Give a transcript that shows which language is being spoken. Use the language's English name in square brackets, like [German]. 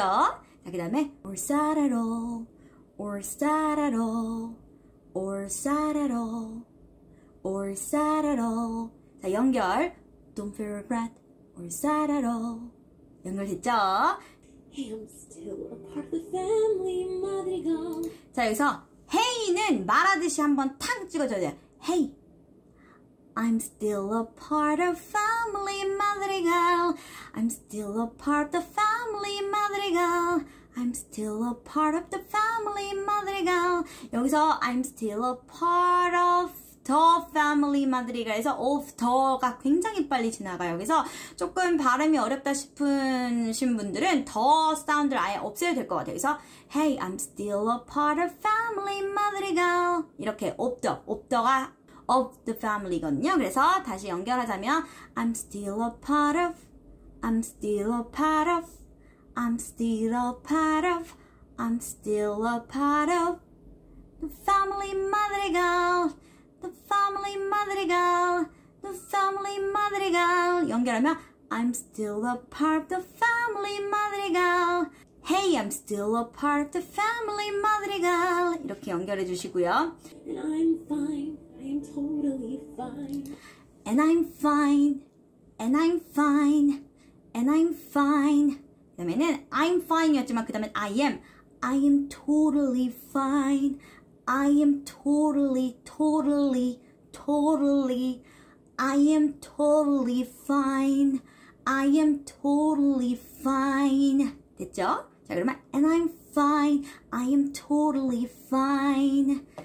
[Korean] 자, 그 다음에 [English] or sad at all, or sad at all, or sad at all, or sad at all. [Korean] 자, 연결. [English] Don't feel regret, or sad at all. [Korean] 연결됐죠? [English] Hey, I'm still a part of the family, Madrigal. [Korean] 자, 여기서 hey는 말하듯이 한번 탕 찍어줘야 돼요. [English] Hey, I'm still a part of family, Madrigal. I'm still a part of the family, Madrigal. I'm still a part of the family, Madrigal. 여기서 I'm still a part of the family madrigal [Korean] 에서 of the가 굉장히 빨리 지나가요. 그래서 조금 발음이 어렵다 싶으신 분들은 the sound을 아예 없애도 될 것 같아요. 그래서 [English] hey, I'm still a part of family madrigal 이렇게 of the, of the가 of the family거든요. [Korean] 그래서 다시 연결하자면 [English] I'm still a part of, I'm still a part of, I'm still a part of, I'm still a part of the family madrigal, the family madrigal, the family madrigal. [Korean] 연결하면 [English] I'm still a part of the family madrigal. Hey, I'm still a part of the family madrigal. [Korean] 이렇게 연결해 주시고요. [English] And I'm fine, I'm totally fine. And I'm fine, and I'm fine, and I'm fine. [Korean] 그 다음에는 [English] I'm fine [Korean] 이었지만 그 다음엔 I am. [English] I am totally fine. I am totally, totally, totally. I am totally fine. I am totally fine. [Korean] 됐죠? 자, 그러면 [English] and I'm fine. I am totally fine.